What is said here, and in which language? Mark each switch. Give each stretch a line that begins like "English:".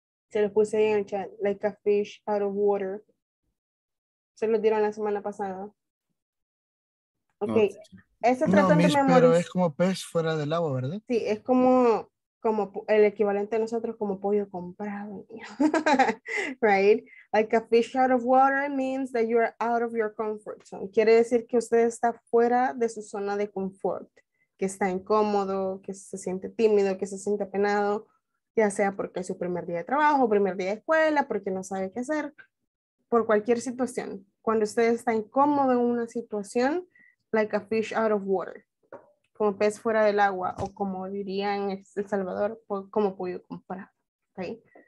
Spanish: Se los puse ahí en el chat,
English: like a fish out of water.
Spanish: Se los dieron la semana pasada. Okay. No, este trata de memorizar. Pero es como pez fuera del agua, ¿verdad? Sí, es como el equivalente a nosotros como pollo comprado.
English: Right? Like a fish out of water means that you are out of your comfort zone.
Spanish: Quiere decir que usted está fuera de su zona de confort, que está incómodo, que se siente tímido, que se siente apenado, ya sea porque es su primer día de trabajo, primer día de escuela, porque no sabe qué hacer, por cualquier situación. Cuando usted está incómodo en una situación,
English: like a fish out of water,
Spanish: como pez fuera del agua, o como diría en El Salvador, como pollo comprado. ¿Okay?